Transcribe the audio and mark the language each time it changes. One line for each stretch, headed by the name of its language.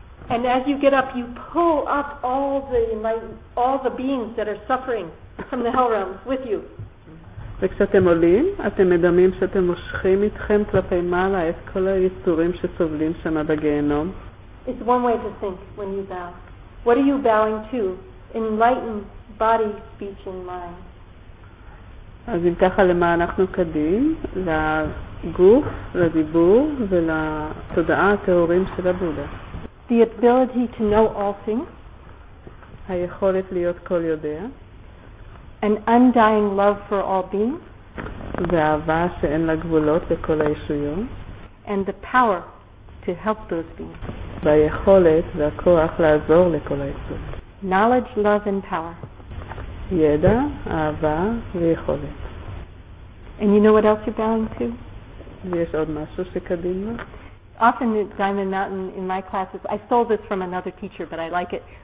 English: And as you get up, you pull up all the beings that are suffering from the hell realms with you.
Hebrew: וכשאתם עולים, אתם מדמים שאתם מושכים איתכם כלפי מעלה את כל היצורים שסובלים שם בגיהנום.
English: It's one way to think when you bow. What are you bowing to? Enlightened body, speech, and mind.
Hebrew: אז אם ככה למה אנחנו קדים? לגוף, לדיבור ולתודעה התיאורים של הבודה.
English: The ability to know all things.
Hebrew: היכולת להיות כל יודע.
English: an undying love for all beings.
Hebrew: ואהבה שאין לה גבולות לכל הישויות.
English: And the power to help those beings.
Hebrew: והיכולת והכוח לעזור לכל הישויות.
English: Knowledge, love, and power.
Hebrew: ידע, אהבה ויכולת.
English: And you know what else you're bowing to?
Hebrew: ויש עוד משהו שקדימה?
English: Often at Diamond Mountain in my classes, I stole this from another teacher, but I like it.